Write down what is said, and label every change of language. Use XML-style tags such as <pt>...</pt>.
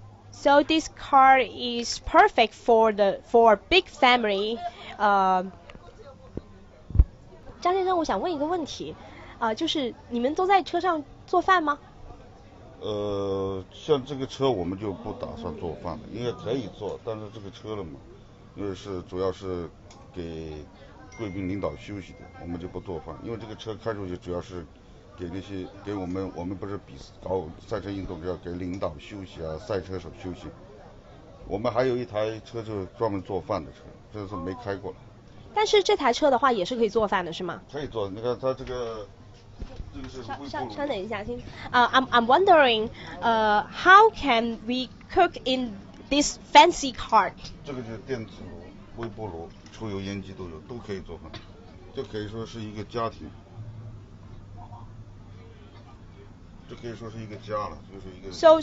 <en>So this car is perfect for big family.</en> <zh>张先生，我想问一个问题，就是你们都在车上做饭吗？像这个车我们就不打算做饭了，因为可以做，但是这个车了嘛，因为是主要是给贵宾领导休息的，我们就不做饭，因为这个车开出去主要是。给那些给我们不是比搞赛车运动，要给领导休息啊，赛车手休息。我们还有一台车就是专门做饭的车，这是没开过了。但是这台车的话也是可以做饭的，是吗？可以做，你看它这个是。稍等一下，听。</zh> <en>I'm wondering, how can we cook in this fancy car?</en> <zh>这个就是电子炉、微波炉、抽油烟机都有，都可以做饭，就可以说是一个家庭。这可以说是一个家了，就是一个。</zh>